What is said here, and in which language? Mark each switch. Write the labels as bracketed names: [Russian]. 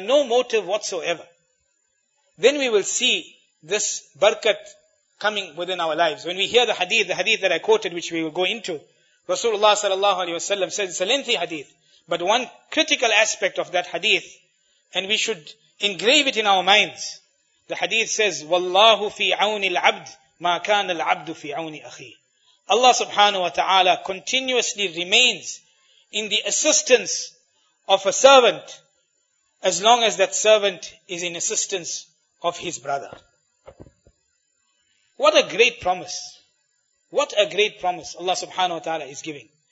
[English] No motive whatsoever. Then we will see this barakat coming within our lives. When we hear the hadith that I quoted, which we will go into, Rasulullah sallallahu alayhi wa sallam says, it's a lengthy hadith. But one critical aspect of that hadith, and we should engrave it in our minds. The hadith says, [Arabic] وَاللَّهُ فِي عَوْنِ الْعَبْدِ مَا كَانَ الْعَبْدُ فِي عَوْنِ أَخِيهِ. [English] Allah subhanahu wa ta'ala continuously remains in the assistance of a servant as long as that servant is in assistance of his brother. What a great promise. What a great promise Allah subhanahu wa ta'ala is giving.